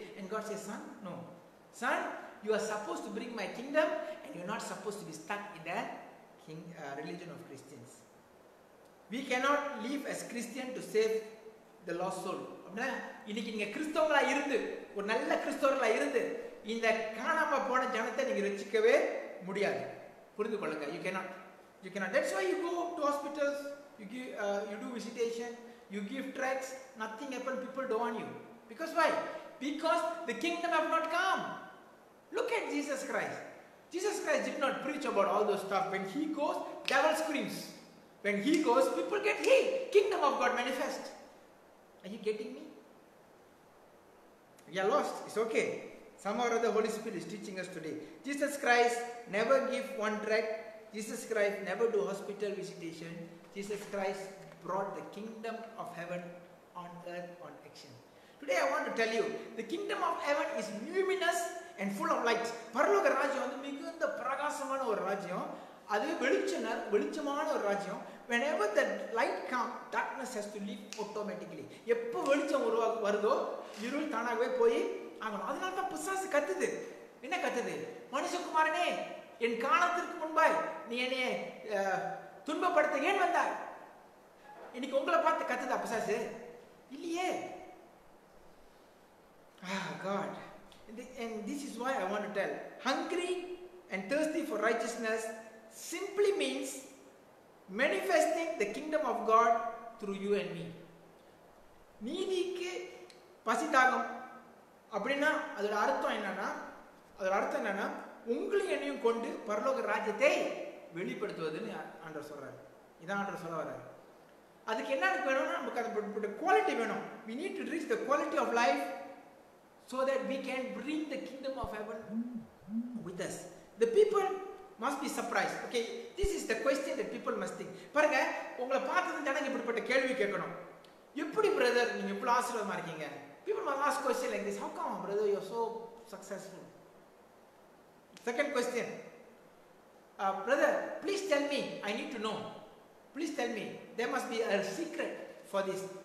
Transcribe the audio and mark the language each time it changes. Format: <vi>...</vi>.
<en>And God says, son, no son, you are suppose to bring my kingdom and you are not suppose to be stuck in the king religion of Christians. We cannot leave us Christian to save the lost soul.</en> <ta>இன்னைக்கு நீங்க கிறிஸ்தவங்களா இருந்து, ஒரு நல்ல கிறிஸ்தவர்களா இருந்து இந்த காணாம போன ஜனத்தை நீங்க ரசிக்கவே முடியாது. புரிந்து கொள்ளுங்க,</ta> <en>you cannot, you cannot. That's why you go to hospitals, you give, you do visitation, you give tracts, nothing happen, people don't want you. Because why? Because the kingdom have not come. Look at Jesus Christ. Jesus Christ did not preach about all those stuff. When he goes, devil screams. When he goes, people get healed. Kingdom of God manifest. Are you getting me? We are lost. It's okay. Somehow or other, Holy Spirit is teaching us today. Jesus Christ never give one tract. Jesus Christ never do hospital visitation. Jesus Christ brought the kingdom of heaven on earth on action. Today I want to tell you, the kingdom of heaven is luminous and full of light.</en> <ta>பரலோக ராஜ்யம் வந்து மிகுந்த பிரகாசமான ஒரு ராஜ்யம். அது வெளிச்சம், வெளிச்சமான ஒரு ராஜ்யம்.</ta> <en>Whenever the light comes, darkness has to leave automatically.</en> <ta>எப்ப வெளிச்சம் உருவாக்கு வருதோ இருள் தானாகவே போய் ஆகணும். அதனால தான் பிசாசு கத்துது. என்ன கத்துது? மனுஷகுமாரனே, என் காலத்திற்கு முன்பாய் நீ என்னையே துன்பப்படுத்த ஏன் வந்தாய்? இன்னைக்கு உங்களை பார்த்து கத்துதா பிசாசு? இல்லையே.</ta> <en>Ah, God. And this is why I want to tell. Hungry and thirsty for righteousness simply means manifesting the kingdom of God through you and me.</en> <ta>நீதிக்கு பசிதாகம் அப்படின்னா அதோட அர்த்தம் என்னன்னா, அதோட அர்த்தம் என்னன்னா, உங்களையும் என்னையும் கொண்டு பரலோக ராஜ்யத்தை வெளிப்படுத்துவதுன்னு ஆண்டவர் சொல்றாரு. இதான் ஆண்டவர் சொல்ல வர்றாரு. அதுக்கு என்னன்னு வேணும்னா, நமக்கு அதை குவாலிட்டி வேணும்.</ta> <en>We need to reach the quality of life so that we can bring the kingdom of heaven with us. The people must be surprised. Okay, this is the question that people must think.</en> <ta>பாருங்க, உங்களை பார்த்தது ஜனங்க இப்படிப்பட்ட கேள்வி கேட்கணும். எப்படி brother நீங்க எவ்வளவு ஆசீர்வாதமா இருக்கீங்க?</ta> <en>People must ask question like this. How come brother you are so successful? Second question, Brother, please tell me. I need to know. Please tell me. There must be a secret for this.</en>